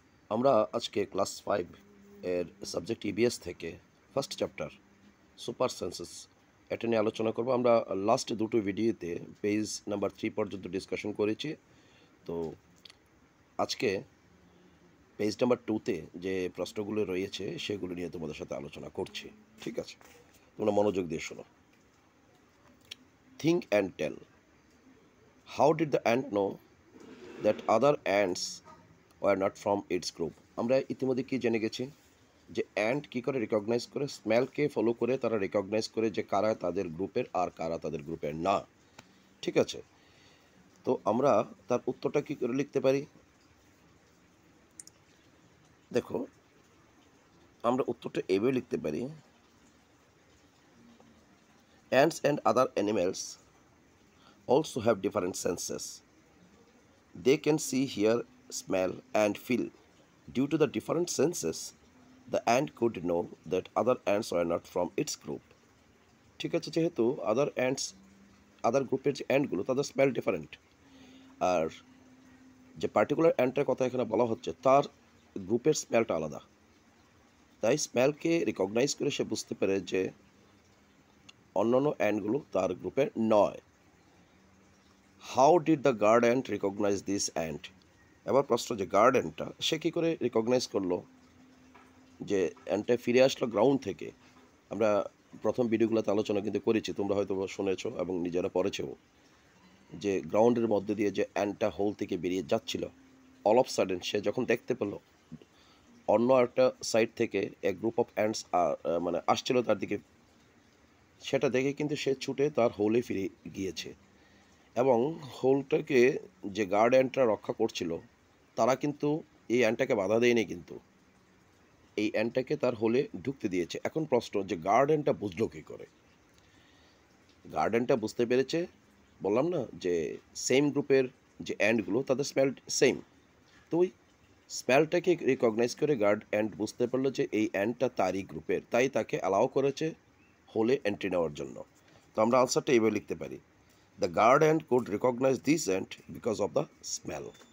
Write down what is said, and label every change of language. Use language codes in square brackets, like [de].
[bn] আমরা আজকে ক্লাস 5 এর সাবজেক্ট EVS থেকে ফার্স্ট চ্যাপ্টার সুপার সেন্সেস এটা নিয়ে আলোচনা করব। আমরা লাস্ট দুটো ভিডিওতে পেজ নাম্বার 3 পর্যন্ত ডিসকাশন করেছি, তো আজকে পেজ নাম্বার 2 তে যে প্রশ্নগুলো রয়েছে সেগুলো নিয়ে তোমাদের সাথে আলোচনা করছি, ঠিক আছে? তোমরা মনোযোগ দিয়ে শোনো। [en] Think and tell, How did the ant know that other ants were not from its group? [bn] আমরা ইতিমধ্যে কি জেনে গেছি যে অ্যান্ট কী করে রিকগনাইজ করে, স্মেলকে ফলো করে তারা রিকগনাইজ করে যে কারা তাদের গ্রুপের আর কারা তাদের গ্রুপের না, ঠিক আছে? তো আমরা তার উত্তরটা কী করে লিখতে পারি? দেখো, আমরা উত্তরটা এভাবে লিখতে পারি, [en] Ants and other animals also have different senses. They can see, hear, smell and feel. Due to the different senses, the ant could know that other ants are not from its group. [bn] ঠিক আছে, যেহেতু আদার ants আদার গ্রুপের যে অ্যান্টগুলো তাদের smell different, আর যে particular অ্যান্টের কথা এখানে বলা হচ্ছে তার গ্রুপের স্মেলটা আলাদা, তাই স্মেলকে রিকগনাইজ করে সে বুঝতে পারে যে অন্যান্য অ্যান্টগুলো তার গ্রুপের নয়। [en] How did the guard ant recognize this ant? [bn] এবার প্রশ্ন, যে গার্ড অ্যান্টটা সে কী করে রিকগনাইজ করলো যে অ্যান্টটা ফিরে আসলো গ্রাউন্ড থেকে? আমরা প্রথম ভিডিওগুলোতে আলোচনা কিন্তু করেছি, তোমরা হয়তো শুনেছো এবং নিজেরা পড়েছো, যে গ্রাউন্ডের মধ্যে দিয়ে যে অ্যান্টটা হোল থেকে বেরিয়ে যাচ্ছিল, অল অফ সাডেন সে যখন দেখতে পেলো অন্য একটা সাইড থেকে এক গ্রুপ অফ অ্যান্টস মানে আসছিলো তার দিকে, সেটা দেখে কিন্তু সে ছুটে তার হোলে ফিরে গিয়েছে। এবং হোলটাকে যে গার্ড অ্যান্টটা রক্ষা করছিল তারা কিন্তু এই অ্যান্টটাকে বাধা দেয়নি, কিন্তু এই অ্যান্টটাকে তার হোলে ঢুকতে দিয়েছে। এখন প্রশ্ন, যে গার্ড অ্যান্টটা বুঝলো কী করে? গার্ড অ্যান্টটা বুঝতে পেরেছে, বললাম না যে সেম গ্রুপের যে অ্যান্টগুলো তাদের স্মেল সেম, তো ওই স্মেলটাকে রিকগনাইজ করে গার্ড অ্যান্ট বুঝতে পারলো যে এই অ্যান্টটা তারই গ্রুপের, তাই তাকে অ্যালাউ করেছে হোলে এন্ট্রি নেওয়ার জন্য। তো আমরা আনসারটা এইভাবে লিখতে পারি, [en] The guard ant could recognize this ant because of the smell.